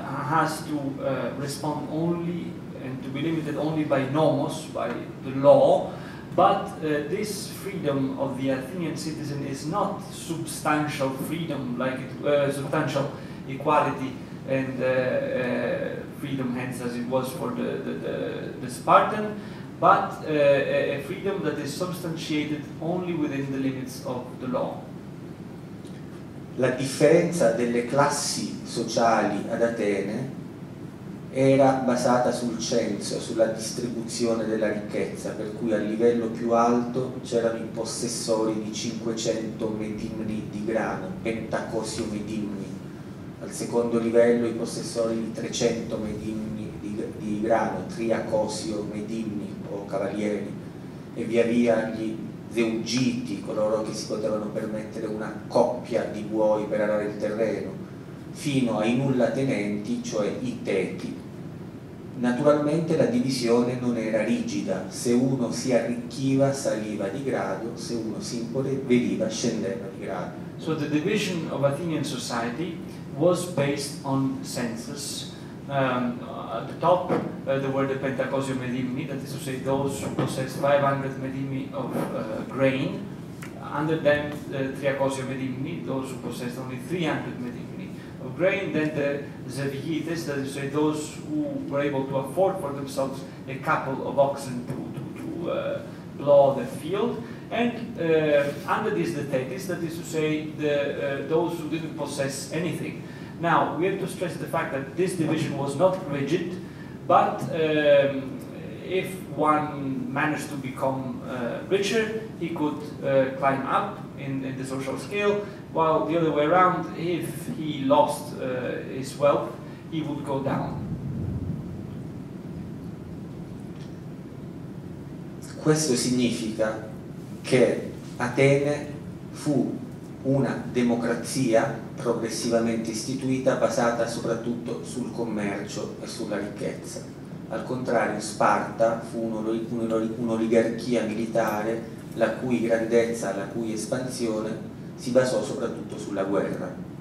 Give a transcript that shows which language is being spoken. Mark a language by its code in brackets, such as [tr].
[en] has to respond only and to be limited only by nomos, by the law, but this freedom of the Athenian citizen is not substantial freedom, like it, substantial equality and freedom, hence as it was for the Spartan, but a freedom that is substantiated only within the limits of the law. [it] La differenza delle classi sociali ad Atene era basata sul censo, sulla distribuzione della ricchezza, per cui a livello più alto c'erano i possessori di 500 medimni di grano, pentacosio medimni. Al secondo livello i possessori di 300 medimni di grano, triacosio medimni o cavalieri, e via via gli zeugiti, coloro che si potevano permettere una coppia di buoi per arare il terreno, fino ai nullatenenti, cioè i tetti. Naturalmente la divisione non era rigida, se uno si arricchiva saliva di grado, se uno si impoveriva scendeva di grado. [en] So the division of Athenian society was based on census. At the top there were the pentacosio medimni, that is to say those who possessed 500 medimni of grain. Under them the triacosio medimni, those who possessed only 300 medimni of grain. Then the zevigites, that is to say those who were able to afford for themselves a couple of oxen to plow the field. And under this the tetis, that is to say the those who didn't possess anything. Now, we have to stress the fact that this division was not rigid, but if one managed to become richer, he could climb up in the social scale, while the other way around, if he lost his wealth, he would go down. [it] Questo significa che Atene fu una democrazia progressivamente istituita, basata soprattutto sul commercio e sulla ricchezza. Al contrario, Sparta fu un'oligarchia militare la cui grandezza, la cui espansione si basò soprattutto sulla guerra.